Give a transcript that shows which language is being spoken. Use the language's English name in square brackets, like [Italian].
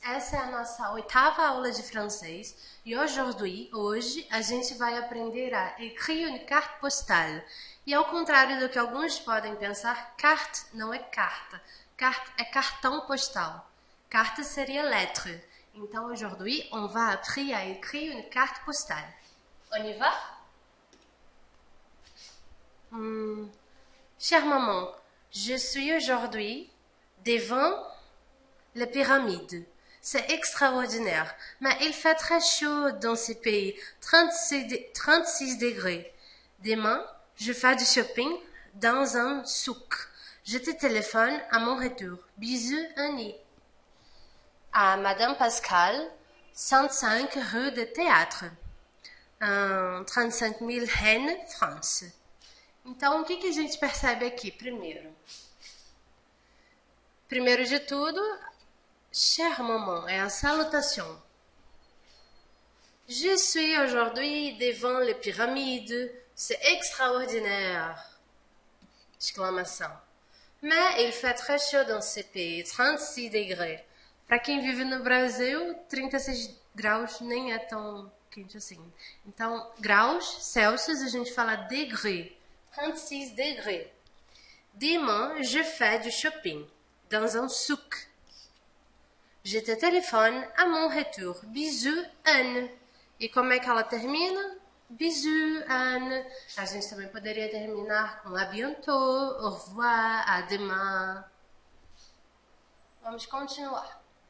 [Portuguese] Essa é a nossa oitava aula de francês e hoje a gente vai aprender a [French] écrire une carte postale. [Portuguese] E ao contrário do que alguns podem pensar, carte não é carta, carte é cartão postal. Carte seria lettre. [French] Então, aujourd'hui, on va apprendre à écrire une carte postale. On y va? Chère maman, je suis aujourd'hui devant les pyramides. C'est extraordinaire, mais il fait très chaud dans ces pays, 36 degrés. Demain, je fais du shopping dans un souk. Je te téléphone à mon retour. Bisous, Annie. À Madame Pascal, 105 rue de Théâtre, 35 000 Rennes, France. [Portuguese] Então, o que que a gente percebe aqui primeiro? Primeiro de tudo, [French] chère maman, [Portuguese] é a salutação. [French] Je suis aujourd'hui devant les pyramides. C'est extraordinaire! Exclamação. Mais il fait très chaud dans ce pays, 36 degrés. [Portuguese] Para quem vive no Brasil, 36 graus nem é tão quente assim. Então, graus, Celsius, a gente fala degré. [French] 36 degrés. Demain, je fais du shopping dans un souk. Je te téléphone à mon retour. [Portuguese] Bisous, Anne. E como é que ela termina? Bisous, Anne. A gente também poderia terminar com [French] à bientôt, au revoir, à demain. [Portuguese] Vamos continuar.